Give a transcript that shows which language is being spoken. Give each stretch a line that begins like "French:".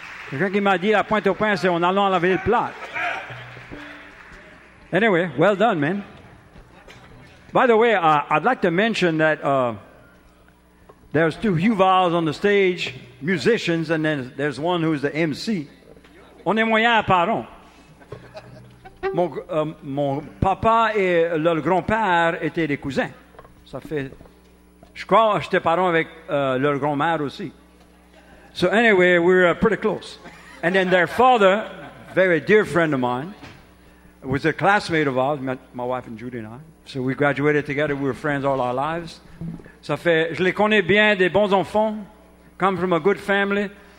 French: Quelqu'un qui m'a dit la pointe au pain, c'est en allant à la ville plate.
English: Anyway, well done, man. By the way, I'd like to mention that there's two Huvals on the stage, musicians, and then there's one who's the MC.
French: On est moyen apparent. Mon papa et leur grand-père étaient des cousins. Ça fait. Je crois que j'étais parent avec leur grand-mère aussi.
English: So anyway, we're pretty close. And then their father, very dear friend of mine, was a classmate of ours, met my wife and Judy and I. So we graduated together. We were friends all our lives.
French: Ça fait, je les connais bien, des bons enfants,
English: come from a good family.